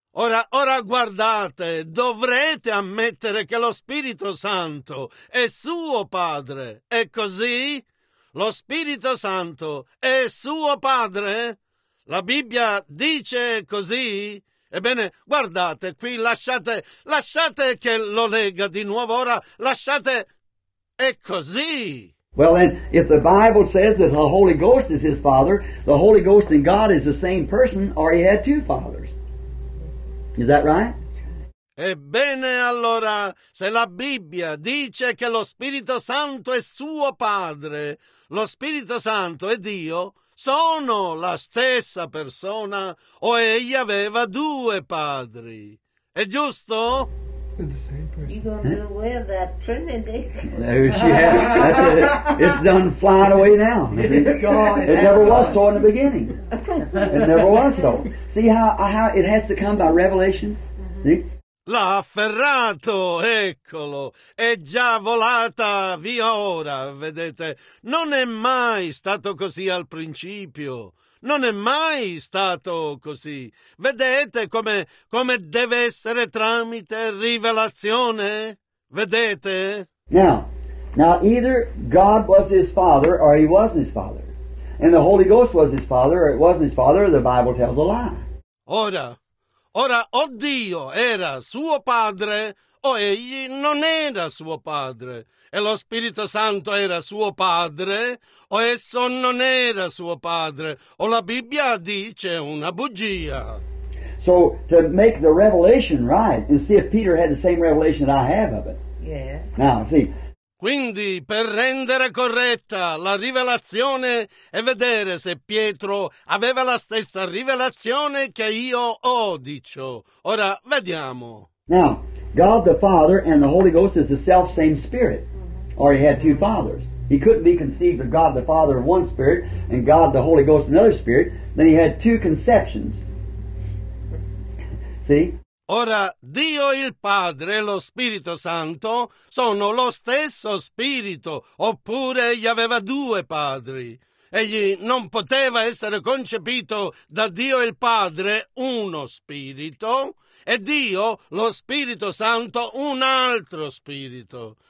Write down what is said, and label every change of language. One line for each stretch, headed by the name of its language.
Italian: Ora guardate, dovrete ammettere che lo Spirito Santo è suo Padre. È così? Lo Spirito Santo è suo Padre? La Bibbia dice così? Ebbene, guardate qui, lasciate che lo legga di nuovo ora, lasciate, è così.
English: Well then, if the Bible says that the Holy Ghost is his Father, the Holy Ghost and God is the same person, or he had two fathers. Is that right?
Italian: Ebbene, allora, se la Bibbia dice che lo Spirito Santo è suo Padre, lo Spirito Santo è Dio, sono la stessa persona, o egli aveva due padri? È giusto?
English: You're going to wear that Trinity. There she had it. It's done flying away now. It never was so in the beginning. It never was so. See how it has to come by revelation? See?
Italian: L'ha afferrato, eccolo, è già volata via ora, vedete. Non è mai stato così al principio, non è mai stato così. Vedete come deve essere tramite rivelazione, vedete?
English: Now either God was his father or he wasn't his father. and the Holy Ghost was his father, or it wasn't his father, the Bible tells a lie.
Italian: Ora, o Dio era suo padre, o egli non era suo padre. E lo Spirito Santo era suo padre, o esso non era suo padre. O la Bibbia dice una bugia.
English: So, to make the revelation right, and see if Peter had the same revelation that I have of it. Yeah. Now, see.
Italian: Quindi, per rendere corretta la rivelazione e vedere se Pietro aveva la stessa rivelazione che io ho, dicio. Ora, vediamo.
English: Now, God the Father and the Holy Ghost is the self-same Spirit. Or he had two fathers. He couldn't be conceived of God the Father in one Spirit and God the Holy Ghost in another Spirit. Then he had two conceptions. See?
Italian: Ora, Dio il Padre e lo Spirito Santo sono lo stesso Spirito, oppure egli aveva due padri. Egli non poteva essere concepito da Dio il Padre uno Spirito e Dio lo Spirito Santo un altro Spirito.